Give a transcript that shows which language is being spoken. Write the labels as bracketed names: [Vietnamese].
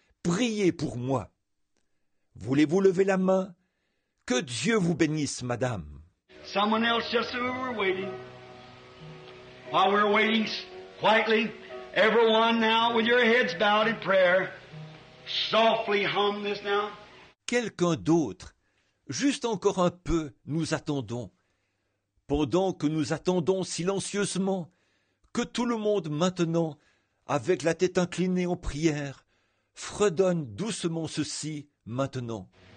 [French] Priez pour moi. Voulez-vous lever la main? Que Dieu vous bénisse, madame. [English] Someone else just who we're waiting. While we're waiting quietly, everyone now with your heads bowed in prayer, softly hum this now. [French] Quelqu'un d'autre. Juste encore un peu, nous attendons. Pendant que nous attendons silencieusement, que tout le monde maintenant, avec la tête inclinée en prière, fredonne doucement ceci maintenant.